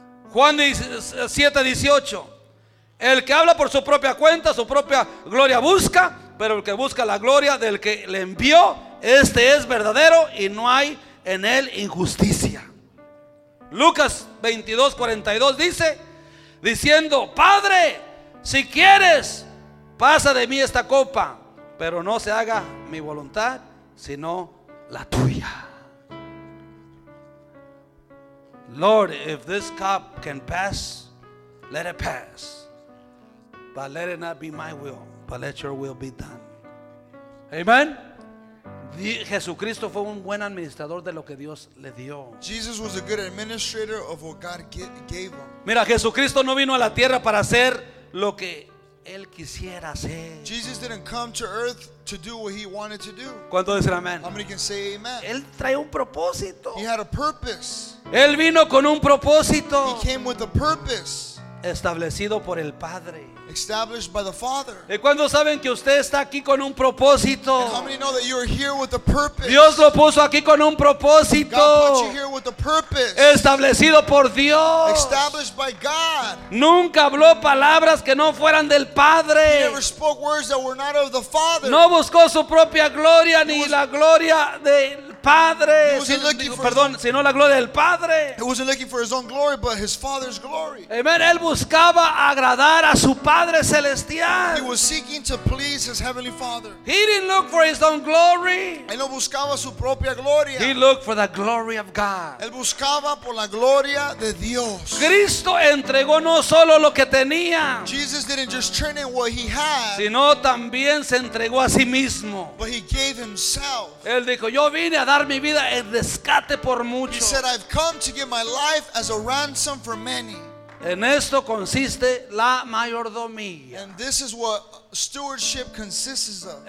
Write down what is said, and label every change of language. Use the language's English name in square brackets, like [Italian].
[Spanish] Juan 7:18. El que habla por su propia cuenta, su propia gloria busca, pero el que busca la gloria del que le envió, este es verdadero y no hay en él injusticia. Lucas 22:42 dice, diciendo, Padre, si quieres, pasa de mí esta copa, pero no se haga mi voluntad, sino la tuya. [English] Lord, if this cup can pass, let it pass. But let it not be my will, but let your will be done. Amen. [Spanish] Jesucristo fue un buen administrador de lo que Dios le dio. [English] Jesus was a good administrator of what God gave him. [Spanish] Mira, Jesucristo no vino a la tierra para hacer lo que él quisiera hacer. [English] Jesus didn't come to earth to do what he wanted to do. [Spanish] ¿Cuánto dice amén? [English] How many can say amen? [Spanish] Él trae un propósito. [English] He had a purpose. [Spanish] Él vino con un propósito. [English] He came with a purpose. [Spanish] Establecido por el Padre. [English] Established by the Father. [Spanish] ¿Y cuándo saben que usted está aquí con un propósito? [English] And how many know that you are here with a purpose? [Spanish] Dios lo puso aquí con un propósito. [English] God put you here with a purpose. [Spanish] Establecido por Dios. [English] Established by God. [Spanish] Nunca habló palabras que no fueran del Padre. [English] He never spoke words that were not of the Father. [Spanish] No buscó su propia gloria ni la gloria de Padre, sino la gloria del Padre. [English] He wasn't looking for his own glory, but his Father's glory. Amen. [Spanish] Él buscaba agradar a su Padre celestial. [English] He was seeking to please his heavenly Father. He didn't look for his own glory. [Spanish] Él no buscaba su propia gloria. [English] He looked for the glory of God. [Spanish] Él buscaba por la gloria de Dios. Cristo entregó no solo lo que tenía. [English] Jesus didn't just turn in what he had. [Spanish] Sino también se entregó a sí mismo. [English] But he gave himself. [Spanish] Él dijo, yo vine a dar mi vida en rescate por muchos. [English] He said, I've come to give my life as a ransom for many. [Spanish] En esto consiste la mayordomía. [English] And this is what stewardship consists of.